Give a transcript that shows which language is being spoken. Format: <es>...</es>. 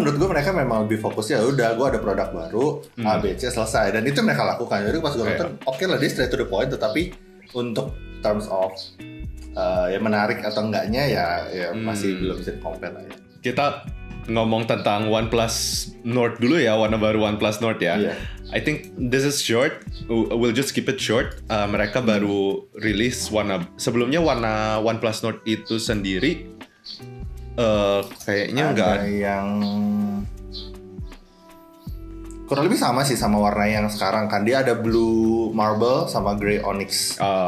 <id>menurut gue mereka memang lebih fokusnya udah gue ada produk baru, ABC selesai. Dan itu mereka lakukan. Jadi pas gue nonton, okay lah, dia</id> <en>straight to the point.</en> <id>Tetapi untuk terms of ya menarik atau enggaknya ya masih belum bisa compare lah ya. Kita ngomong tentang OnePlus Nord dulu ya, warna baru OnePlus Nord ya.</id> <en>Yeah. I think this is short. We'll just keep it short.</en> <id>Mereka baru rilis warna. Sebelumnya warna OnePlus Nord itu sendiri kayaknya enggak ada yang kurang lebih sama sih sama warna yang sekarang kan. Dia ada blue marble sama gray onyx.</id>